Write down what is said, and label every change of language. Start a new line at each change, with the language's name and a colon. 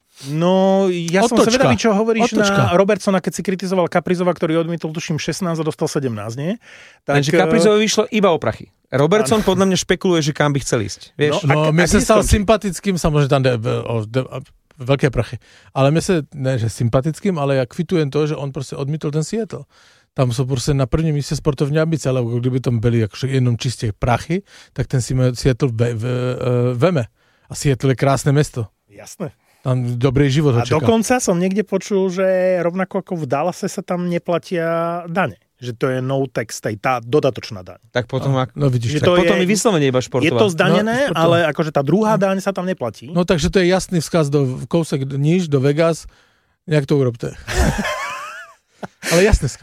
Slovak: No, ja som zvedavý, čo hovoríš na Robertsona, keď si kritizoval Kaprizova, ktorý odmietol tuším 16 a dostal 17, nie? Tak... Lenže Kaprizovi vyšlo iba o prachy. Robertson podľa mňa špekuluje, že kam by chcel ísť. Vieš? No, no mne sa stal sympatickým, samozrejme tam veľké prachy. Ale mne sa, ne, že sympatickým, ale ja kvitujem to, že on proste odmietol ten Seattle.
Czech: Tam sú proste na prvním míste sportovní ambice, ale kdyby tam byli akože jenom čistie prachy, tak ten Seattle veme.
Slovak: A Seattle je krásne mesto. Jasné. Tam dobrý život a očakal. A dokonca som niekde počul, že rovnako ako v Dallase sa tam neplatia dane. Že to je no tax, tá dodatočná daň. Tak potom, ak... no, vidíš, že tak. Potom je vyslovene iba športová. Je to zdanené, no, ale akože tá druhá daň sa tam neplatí.
Czech: No takže to je jasný vzkaz do kousek níž, do Vegas. Nejak to urobte. Ale jasný vzkaz.